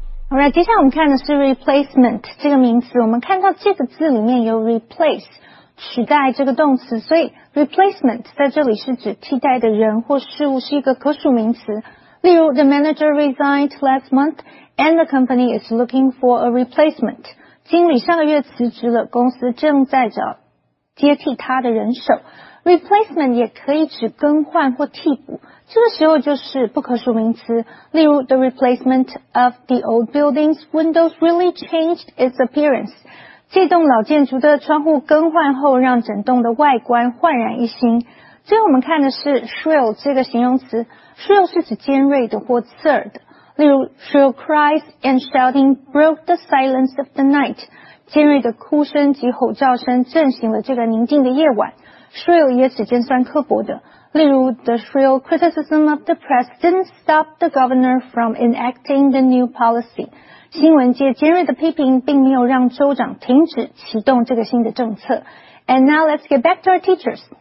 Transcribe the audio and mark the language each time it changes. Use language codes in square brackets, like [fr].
[en] All right, [zh] 接下来我们看的是 replacement 这个名词。我们看到这个字里面有 replace, 取代这个动词，所以Replacement 在这里是指替代的人或事物，是一个可数名词。例如 [en] The manager resigned last month and the company is looking for a replacement. [zh] 经理上个月辞职了，公司正在找接替他的人手。 Replacement 也可以指更换或替补，这个时候就是不可数名词。例如 [en] The replacement of the old building's windows really changed its appearance. [zh] 这栋老建筑的窗户更换后让整栋的外观焕然一新。最后我们看的是 shrill 这个形容词， shrill 是指尖锐的或刺耳的，例如 [en] shrill cries and shouting broke the silence of the night， [zh] 尖锐的哭声及吼叫声震醒了这个宁静的夜晚。 shrill 也指尖酸刻薄的，例如 [en] the shrill criticism of the press didn't stop the governor from enacting the new policy， [zh] 新闻界尖锐的批评并没有让州长停止启动这个新的政策。 [en] And now let's get back to our teachers.